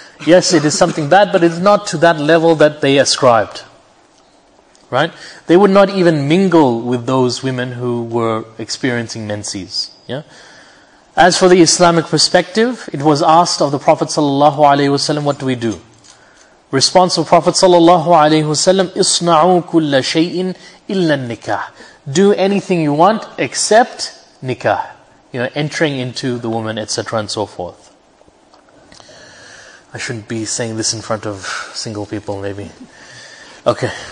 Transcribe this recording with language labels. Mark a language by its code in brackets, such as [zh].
[en] Yes, it is something bad, but it's not to that level that they ascribed. Right? They would not even mingle with those women who were experiencing menses. Yeah? As for the Islamic perspective, it was asked of the Prophet ﷺ, what do we do? [ar] Response of Prophet ﷺ, اصنعوا كل شيء إلا النكاح. [en] Do anything you want except nikah. You know, entering into the woman, etc. and so forth. I shouldn't be saying this in front of single people, maybe. Okay.